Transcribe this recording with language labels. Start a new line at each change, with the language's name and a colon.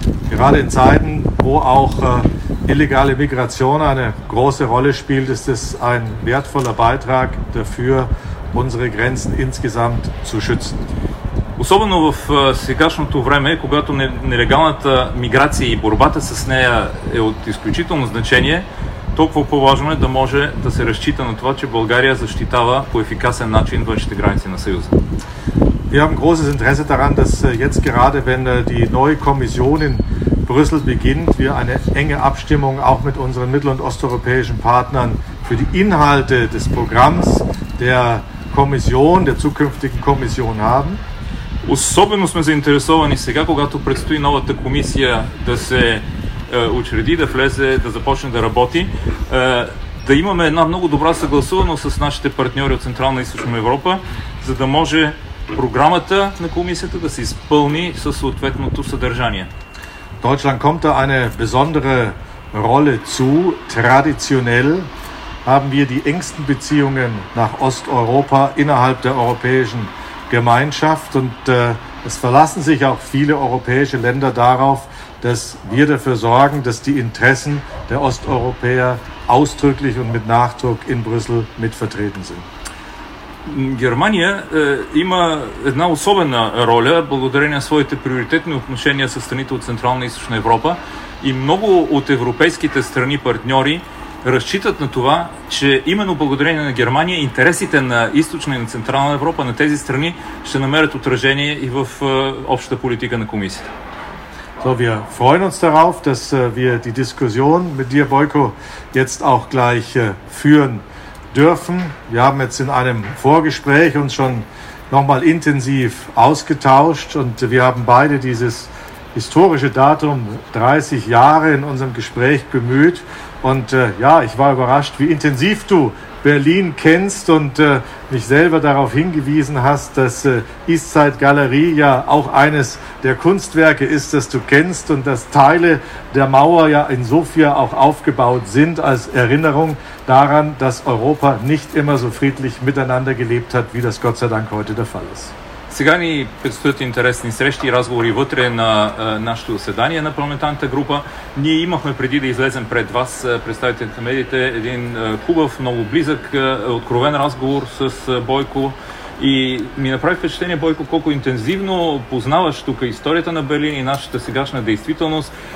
German: Gerade in Zeiten, wo auch illegale Migration eine große Rolle spielt, ist es ein wertvoller Beitrag dafür, unsere Grenzen insgesamt zu schützen.
Bulgarian: Особено в сегашното време, когато нелегалната миграция и борбата с нея е от изключително значение, толкова по-важно е да може да се разчита на това, че България защитава по ефикасен начин външните граници на Съюза.
German: Wir haben großes Interesse daran, dass jetzt gerade, wenn die neue Kommission in Brüssel beginnt, wir eine enge Abstimmung auch mit unseren mittel- und osteuropäischen Partnern für die Inhalte des Programms der Kommission, der zukünftigen Kommission haben.
Bulgarian: Особено сме заинтересовани сега, когато предстои новата комисия да се учреди, да влезе, да започне да работи, да имаме една много добра съгласуваност с нашите партньори от Централна и Източна Европа, за да може програмата на комисията да се изпълни със съответното съдържание.
German: Deutschland kommt da eine besondere Rolle zu. Traditionell haben wir die engsten Beziehungen nach Osteuropa innerhalb der europäischen Gemeinschaft und es verlassen sich auch viele europäische Länder darauf, dass wir dafür sorgen, dass die Interessen der Osteuropäer ausdrücklich und mit Nachdruck in Brüssel mitvertreten sind.
Bulgarian: Германия има една особена роля благодарение на своите приоритетни отношения с страните от Централна и Източна Европа и много от европейските страни партньори разчитат на това, че именно благодарение на Германия интересите на Източна и на Централна Европа на тези страни ще намерят отражение и в общата политика на комисията.
German: So, wir freuen uns darauf, dass wir die Diskussion mit dir, Bojko, jetzt auch gleich führen dürfen. Wir haben jetzt in einem Vorgespräch uns schon nochmal intensiv ausgetauscht und wir haben beide dieses historische Datum 30 Jahre in unserem Gespräch bemüht. Und ja, ich war überrascht, wie intensiv du Berlin kennst und mich selber darauf hingewiesen hast, dass Eastside Galerie ja auch eines der Kunstwerke ist, das du kennst und dass Teile der Mauer ja in Sofia auch aufgebaut sind als Erinnerung daran, dass Europa nicht immer so friedlich miteinander gelebt hat, wie das Gott sei Dank heute der Fall ist.
Bulgarian: Сега ни предстоят интересни срещи и разговори вътре на нашето заседание на парламентарната група. Ние имахме преди да излезем пред вас, представителите на медиите, един хубав, много близък, откровен разговор с Бойко. И ми направи впечатление, Бойко, колко интензивно познаваш тук историята на Берлин и нашата сегашна действителност.